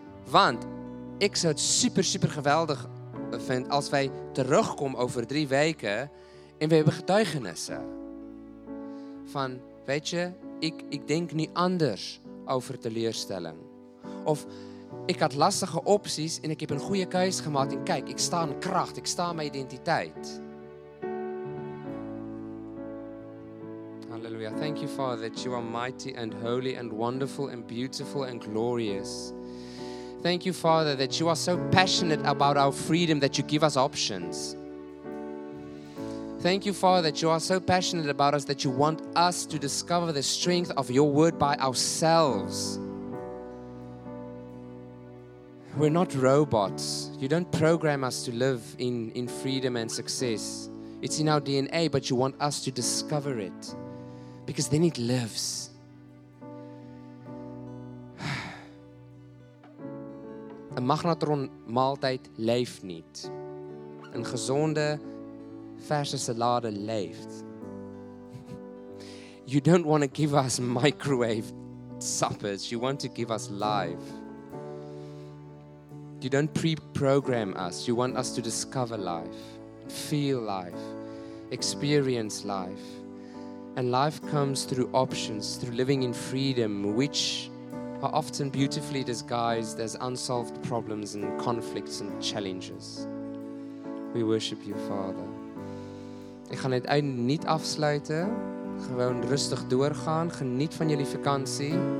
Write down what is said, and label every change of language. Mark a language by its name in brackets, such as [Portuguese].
[Dutch] Want ik zou het super, super geweldig vinden als wij terugkomen over 3 weken en we hebben getuigenissen. Van, weet je, ik denk niet anders over teleurstelling. Of, ik had lastige opties en ik heb een goede keuze gemaakt en kijk, ik sta in kracht, ik sta in mijn identiteit. Hallelujah. [English] Thank you, Father, that you are mighty and holy and wonderful and beautiful and glorious. Thank you, Father, that you are so passionate about our freedom that you give us options. Thank you, Father, that you are so passionate about us that you want us to discover the strength of your word by ourselves. We're not robots. You don't program us to live in freedom and success. It's in our DNA, but you want us to discover it. Because then it lives. [Dutch] Een magnetron maaltijd leeft niet. Een gezonde verse salade leeft. [English] You don't want to give us microwave suppers. You want to give us life. You don't pre-program us. You want us to discover life. Feel life. Experience life. And life comes through options, through living in freedom, which are often beautifully disguised as unsolved problems and conflicts and challenges. We worship you, Father. [Dutch] Ik ga het einde niet afsluiten. Gewoon rustig doorgaan. Geniet van jullie vakantie.